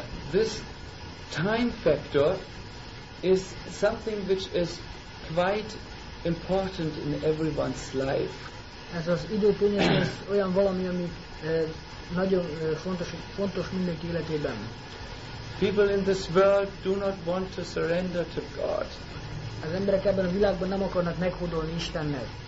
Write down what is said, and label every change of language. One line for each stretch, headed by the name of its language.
English: This time factor is something which is quite important in everyone's life.
Hungarian: Ez az időtényező ez olyan valami, ami nagyon fontos mindenki életében.
English: People in this world do not want to surrender to God.
Hungarian: Az emberek ebben a világban nem akarnak meghódolni Istennek.